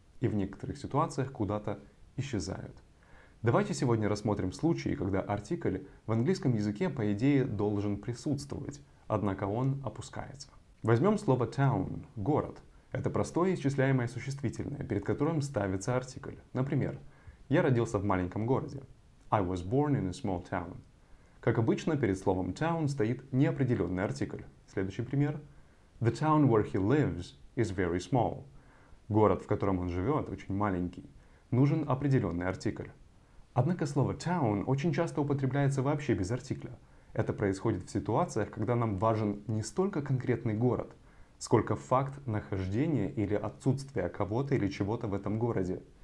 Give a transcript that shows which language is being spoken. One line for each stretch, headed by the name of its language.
Russian: И в некоторых ситуациях куда-то исчезают. Давайте сегодня рассмотрим случаи, когда артикль в английском языке, по идее, должен присутствовать, однако он опускается. Возьмем слово town – город. Это простое исчисляемое существительное, перед которым ставится артикль. Например, я родился в маленьком городе.
English: I was born in a small town.
Russian: Как обычно, перед словом town стоит неопределенный артикль. Следующий пример.
English: The town where he lives is very small.
Russian: Город, в котором он живет, очень маленький. Нужен определенный артикль. Однако слово town очень часто употребляется вообще без артикля. Это происходит в ситуациях, когда нам важен не столько конкретный город, сколько факт нахождения или отсутствия кого-то или чего-то в этом городе.